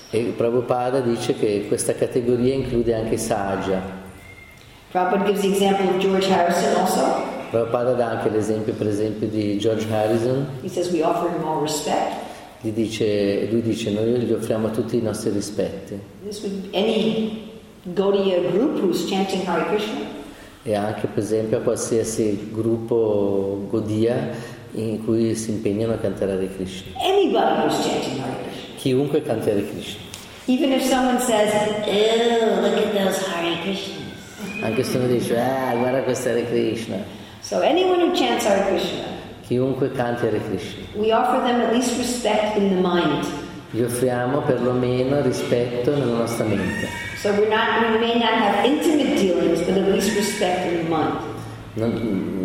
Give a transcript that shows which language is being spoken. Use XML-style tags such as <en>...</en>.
<it>E Prabhupada dice che questa categoria include anche Sahaja.</it> <en>Prabhupada gives the example of George Harrison also.</en> <it>Prabhupada dà anche l'esempio, per esempio, di George Harrison.</it> <en>He says we offer him all respect.</en> <it>Lui dice noi gli offriamo tutti i nostri rispetti.</it> <en>This would be any Gaudiya group who's chanting Hare Krishna.</en> <it>E anche per esempio a qualsiasi gruppo Gaudiya in cui si impegnano a cantare Hare Krishna.</it> <en>Anybody who's chanting Hare Krishna.</en> <it>Chiunque canti Hare Krishna.</it> <en>Even if someone says, look at those Hare Krishnas.</en> <it>Anche se uno dice, guarda questa Hare Krishna.</it> <en>So anyone who chants Hare Krishna.</en> <it>Chiunque canti Hare Krishna.</it> <en>We offer them at least respect in the mind.</en> <it>Gli offriamo perlomeno rispetto nella nostra mente.</it> <en>So we may not have intimate dealings, but at least respect in the mind.</en>